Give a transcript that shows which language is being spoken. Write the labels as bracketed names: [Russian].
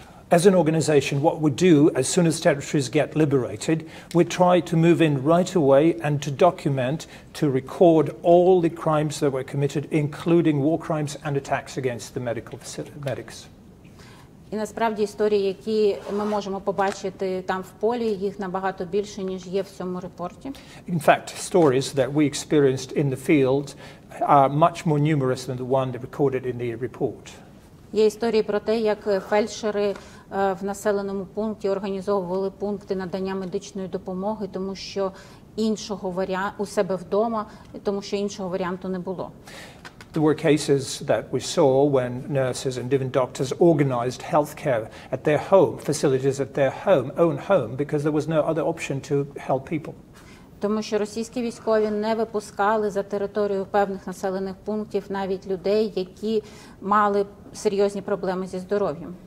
[English] As an organization, what we do as soon as territories get liberated, we try to move in right away and to document, to record all the crimes that were committed, including war crimes and attacks against the medical medics. [Ukrainian] І насправді історії, які ми можемо побачити там в полі, їх набагато більше, ніж є в цьому репорті. [English] In fact, stories that we experienced in the field are much more numerous than the one that recorded in the report. [Ukrainian] Є історії про те, як фельдшери в населеному пункті організовували пункти надання медичної допомоги, тому що іншого варіанту у себе вдома, тому що іншого варіанту не було. [English] There were cases that we saw when nurses and even doctors organized healthcare at their home, facilities at their own home, because there was no other option to help people. [Ukrainian] Тому що російські військові не випускали за територію певних населених пунктів навіть людей, які мали серйозні проблеми зі здоров'ям.